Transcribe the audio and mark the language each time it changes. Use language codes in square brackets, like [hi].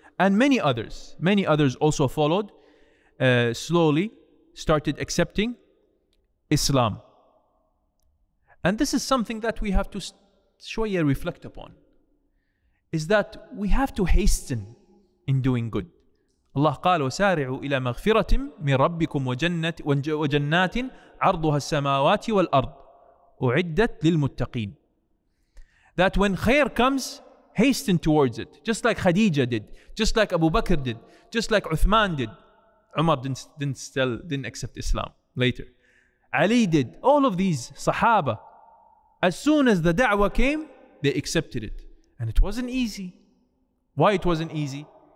[en] And many others also followed, slowly started accepting Islam. And this is something that we have to shoya reflect upon, is that we have to hasten in doing good. [ar] Allah قال وسارعوا إلى مغفرة من ربكم وجنات عرضها السماوات والأرض أعدت للمتقين. [en] That when khair comes, hasten towards it, just like Khadija did, just like Abu Bakr did, just like Uthman did. Umar didn't accept Islam later. Ali did. All of these Sahaba, as soon as the da'wah came, they accepted it. And it wasn't easy. Why it wasn't easy?